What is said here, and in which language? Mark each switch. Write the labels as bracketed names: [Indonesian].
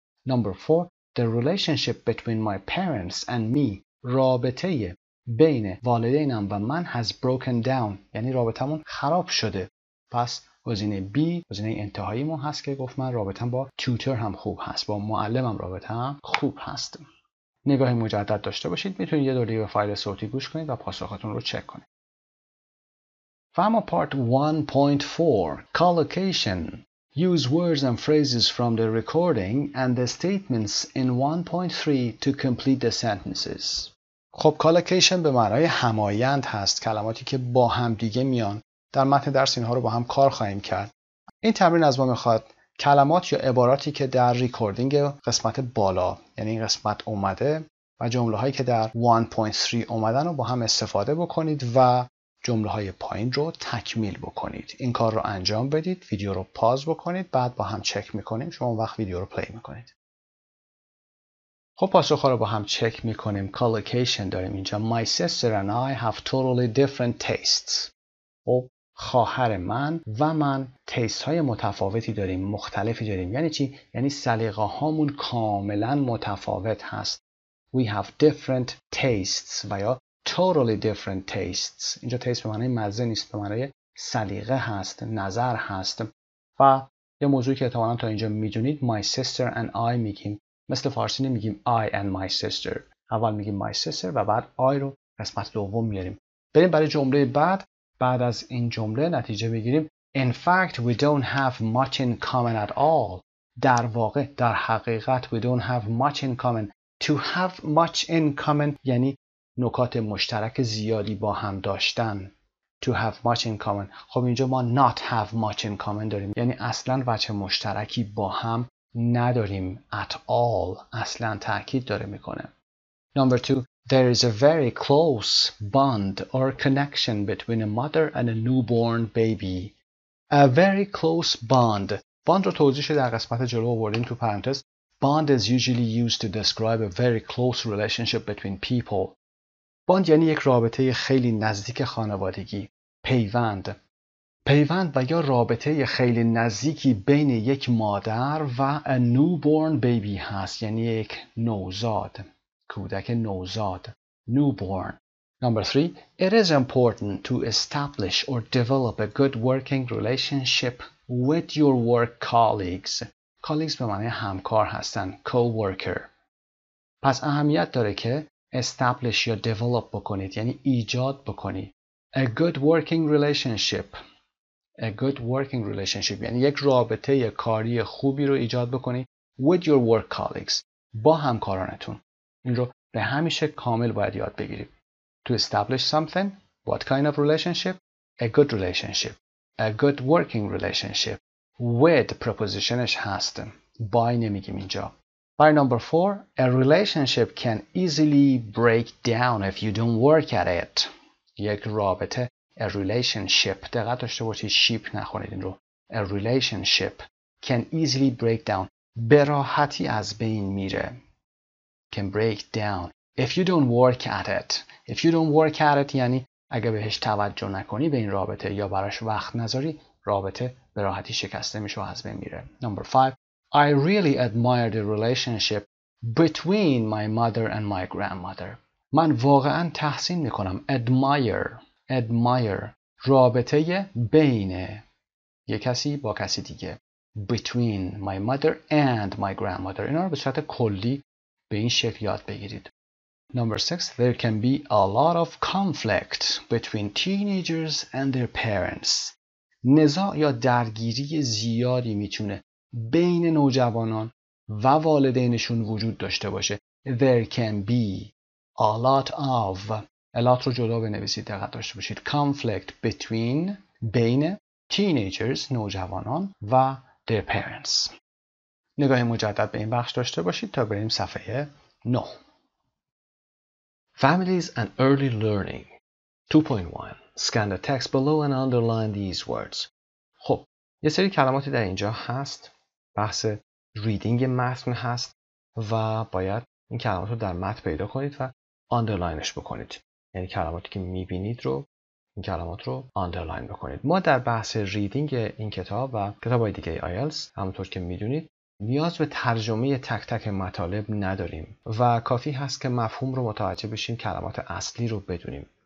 [English] Number 4, the relationship between my parents and me، [Persian] رابطه بین والدینم و من [English] has broken down، [Persian] یعنی رابطمون خراب شده، پس گزینه B گزینه انتهایی ما هست که گفت من رابطم با tutor هم خوب هست، با معلمم رابطم خوب هست. نگاه مجدد داشته باشید، میتونید یه دوری به فایل صوتی گوش کنید و پاسخاتون رو چک کنید. فهم پارت 1.4 collocation. [English] Use words and phrases from the recording and the statements in 1.3 to complete the sentences. [Persian] خب collocation به معنای همایند هست، کلماتی که با هم دیگه میان. در متن درس اینها رو با هم کار خواهیم کرد. این تمرین از ما میخواد کلمات یا عباراتی که در ریکوردینگ قسمت بالا یعنی این قسمت اومده و جمله هایی که در 1.3 اومدن رو با هم استفاده بکنید و جمله های پایین رو تکمیل بکنید. این کار رو انجام بدید، ویدیو رو پاز بکنید، بعد با هم چک میکنیم. شما اون وقت ویدیو رو پلی میکنید. خب پاسخ ها رو با هم چک میکنیم. collocation داریم اینجا. [English] My sister and I have totally different tastes. [Persian] خب خواهر من و من تیست های متفاوتی داریم، مختلفی داریم. یعنی چی؟ یعنی سلیقه هامون کاملا متفاوت هست. [English] We have different tastes و یا totally different tastes. [Persian] اینجا تیست به معنی مزه نیست، به معنی سلیقه هست، نظر هست. و یه موضوعی که احتمالا تا اینجا میدونید، [English] my sister and I [Persian] میگیم. مثل فارسی نمیگیم [English] I and my sister، [Persian] اول میگیم [English] my sister [Persian] و بعد I رو قسمت دوم میاریم. بریم برای جمله بعد. بعد از این جمله نتیجه میگیریم. [English] In fact we don't have much in common at all. [Persian] در واقع، در حقیقت، [English] we don't have much in common. To have much in common [Persian] یعنی نکات مشترک زیادی با هم داشتن. [English] To have much in common. [Persian] خب اینجا ما [English] not have much in common [Persian] داریم، یعنی اصلا وجه مشترکی با هم نداریم. [English] At all [Persian] اصلا تأکید داره میکنه. [English] Number 2, there is a very close bond or connection between a mother and a newborn baby. A very close bond. [Persian] Bond رو توضیحش در قسمت جلو آوردیم تو پرانتز. [English] Bond is usually used to describe a very close relationship between people. [Persian] باند یعنی یک رابطه خیلی نزدیک خانوادگی، پیوند. پیوند و یا رابطه خیلی نزدیکی بین یک مادر و [English] a newborn baby [Persian] هست، یعنی یک نوزاد، کودک نوزاد، newborn. [English] Number 3, it is important to establish or develop a good working relationship with your work colleagues. [Persian] کالیگز به معنی همکار هستن، co-worker. پس اهمیت داره که establish یا develop بکنید، یعنی ایجاد بکنی. [English] A good working relationship. A good working relationship [Persian] یعنی یک رابطه یک کاری خوبی رو ایجاد بکنی [English] with your work colleagues، [Persian] با همکارانتون. این رو به همیشه کامل باید یاد بگیریم. [English] To establish something, what kind of relationship? A good relationship. A good working relationship. With prepositionش هست. [Persian] By نمیگیم اینجا. [English] By number 4, a relationship can easily break down if you don't work at it. [Persian] یک رابطه، [English] a relationship، [Persian] دقت داشته باشید شیپ نخونید این رو. [English] A relationship can easily break down. [Persian] به راحتی از بین میره. [English] Can break down if you don't work at it. If you don't work at it [Persian] یعنی اگه بهش توجه نکنی به این رابطه یا براش وقت نذاری، رابطه به راحتی شکسته میشه و از بین میره. [English] Number 5, I really admire the relationship between my mother and my grandmother. [Persian] من واقعا تحسین میکنم. Admire. رابطه بین یک کسی با کسی دیگه. [English] Between my mother and my grandmother. [Persian] اینا رو به صورت کلی به این شکل یاد بگیرید. [English] Number 6. There can be a lot of conflict between teenagers and their parents. [Persian] نزاع یا درگیری زیادی میتونه بین نوجوانان و والدینشون وجود داشته باشه. [English] There can be a lot of. A lot [Persian] رو جدا بنویسید، دقت داشته باشید. [English] Conflict between، بین، teenagers [Persian] نوجوانان و [English] their parents. [Persian] نگاه مجدد به این بخش داشته باشید تا بریم صفحه 9. [English] Families and early learning 2.1. Scan the text below and underline these words. [Persian] خب یه سری کلماتی در اینجا هست، بحث ریدینگ متن هست و باید این کلمات رو در متن پیدا کنید و underlineش بکنید، یعنی کلماتی که میبینید رو این کلمات رو underline بکنید. ما در بحث ریدینگ این کتاب و کتابای دیگه IELTS همونطور که میدونید نیاز به ترجمه تک تک مطالب نداریم و کافی هست که مفهوم رو متوجه بشیم، کلمات اصلی رو بدونیم.